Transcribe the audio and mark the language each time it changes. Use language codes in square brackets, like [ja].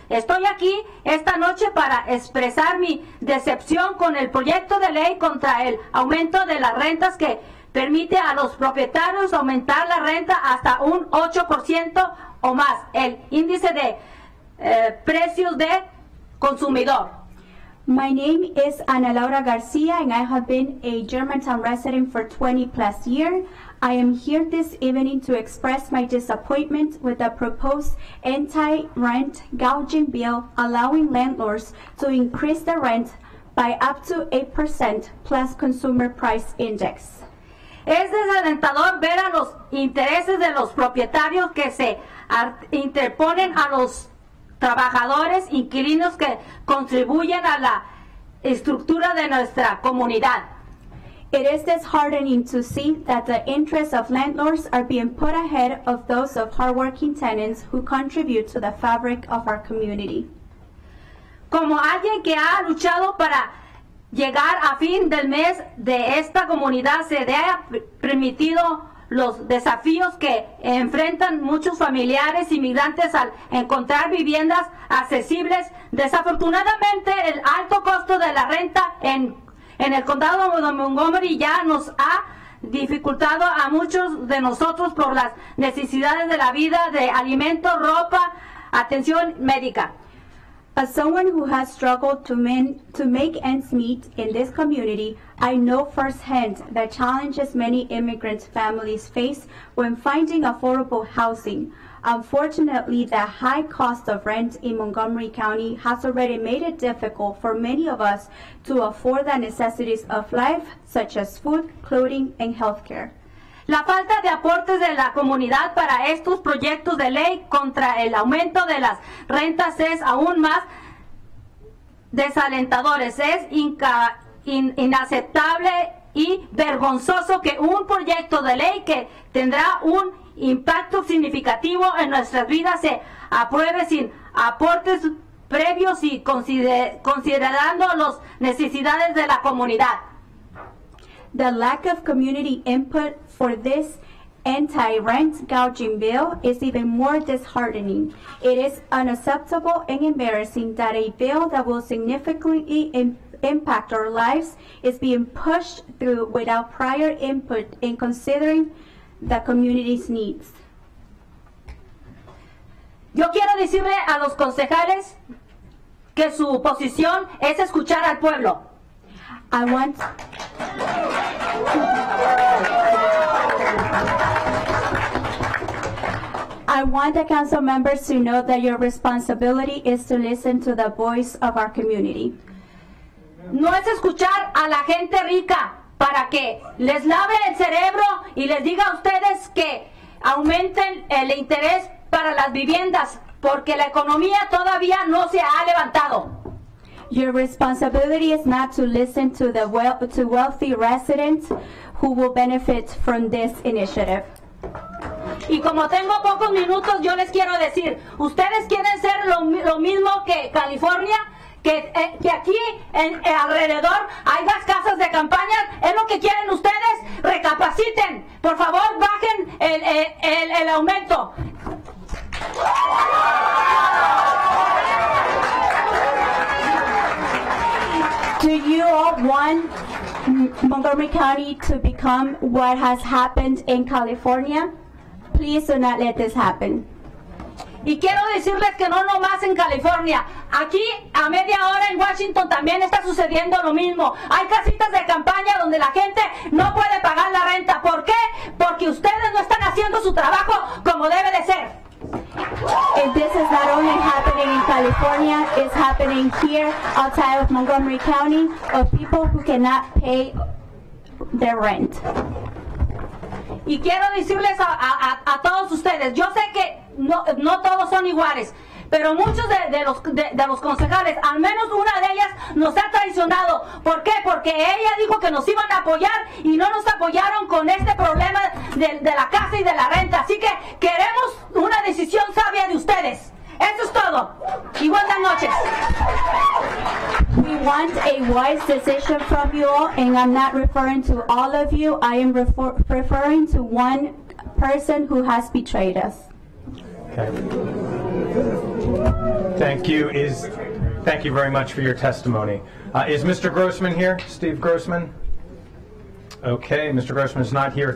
[es] Estoy aquí esta noche para expresar mi decepción con el proyecto de ley contra el aumento de las rentas que permite a los propietarios aumentar la renta hasta un 8% o más, el índice de precios de consumidor. [en] My name is Ana Laura García and I have been a Germantown resident for 20 plus years. I am here this evening to express my disappointment with the proposed anti-rent gouging bill allowing landlords to increase the rent by up to 8% plus consumer price index. [es] Es desalentador ver a los intereses de los propietarios que se interponen a los trabajadores, inquilinos que contribuyen a la estructura de nuestra comunidad. [en] It is disheartening to see that the interests of landlords are being put ahead of those of hardworking tenants who contribute to the fabric of our community. [es] Como alguien que ha luchado para llegar a fin del mes de esta comunidad, se le ha permitido los desafíos que enfrentan muchos familiares inmigrantes al encontrar viviendas accesibles. Desafortunadamente, el alto costo de la renta en el condado de Montgomery ya nos ha dificultado a muchos de nosotros por las necesidades de la vida de alimento, ropa, atención médica. [en] As someone who has struggled to make ends meet in this community, I know firsthand the challenges many immigrant families face when finding affordable housing. Unfortunately, the high cost of rent in Montgomery County has already made it difficult for many of us to afford the necessities of life, such as food, clothing, and healthcare. [es] La falta de aportes de la comunidad para estos proyectos de ley contra el aumento de las rentas es aún más desalentadores. Es inaceptable y vergonzoso que un proyecto de ley que tendrá un impacto significativo en nuestras vidas se apruebe sin aportes previos y considerando las necesidades de la comunidad. [en] The lack of community input for this anti-rent gouging bill is even more disheartening. It is unacceptable and embarrassing that a bill that will significantly impact our lives is being pushed through without prior input in considering the community's needs. [es] Yo quiero decirle a los concejales que su posición es escuchar al pueblo. [en] I want the council members to know that your responsibility is to listen to the voice of our community. [es] No es escuchar a la gente rica para que les lave el cerebro y les diga a ustedes que aumenten el interés para las viviendas porque la economía todavía no se ha levantado. [en] Your responsibility is not to listen to the wealthy residents who will benefit from this initiative. [es] Y como tengo pocos minutos, yo les quiero decir, ustedes quieren ser lo mismo que California, que aquí en alrededor hay las casas de campaña, es lo que quieren ustedes, recapaciten, por favor, bajen el aumento. [en] Do you all want Montgomery County to become what has happened in California? Please do not let this happen. [es] Y quiero decirles que no nomás en California. Aquí a media hora en Washington también está sucediendo lo mismo. Hay casitas de campaña donde la gente no puede pagar la renta. ¿Por qué? Porque ustedes no están haciendo su trabajo como debe de ser. [en] And this is not only happening in California, it's happening here outside of Montgomery County of people who cannot pay their rent. [es] Y quiero decirles a todos ustedes, yo sé que no todos son iguales, pero muchos de los concejales, al menos una de ellas, nos ha traicionado. ¿Por qué? Porque ella dijo que nos iban a apoyar y no nos apoyaron con este problema de la casa y de la renta. Así que queremos una decisión sabia de ustedes. Eso es todo. Y buenas noches. [en] We want a wise decision from you all, and I'm not referring to all of you. I am referring to one person who has betrayed us. Okay. Thank you. Thank you very much for your testimony. Is Mr. Grossman here? Steve Grossman? Okay, Mr. Grossman is not here.